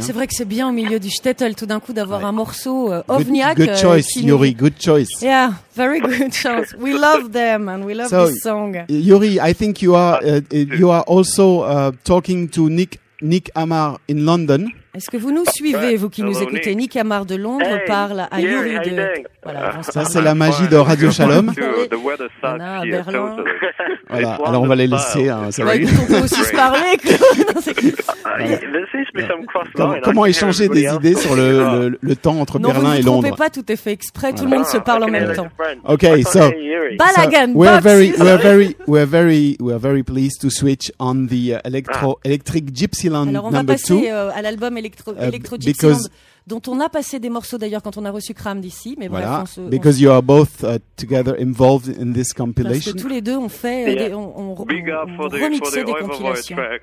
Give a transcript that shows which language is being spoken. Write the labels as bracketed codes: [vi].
[fr] C'est vrai que c'est bien au milieu du shtetl tout d'un coup d'avoir un morceau ovniaque. [en] Good choice, fini. Yuri. Good choice. Yeah, very good choice. We love them and we love this song. Yuri, I think you are also talking to Nick Amar in London. [fr] Est-ce que vous nous suivez, vous qui nous écoutez? Nick Amar de Londres parle à Yuri de. Voilà, ça, c'est la magie de Radio Shalom. On a à Berlin. Voilà, alors on va les laisser. Hein, c'est vrai qu'on peut aussi se parler. Comment échanger des idées sur le temps entre Berlin et Londres? Non, vous ne trouvez pas, tout est fait exprès. Tout le monde se parle en même temps. [en] Ok, so. [he] Balagan, [en] we are very pleased to switch on the electric Gypsyland number 2. [fr] Alors, on va passer à l'album Electro Gypsyland, dont on a passé des morceaux d'ailleurs quand on a reçu Kram d'ici. Mais voilà. Bref, on se, [en] because you are both together involved in this compilation. [fr] Parce que tous les deux ont fait, remixé des compilations.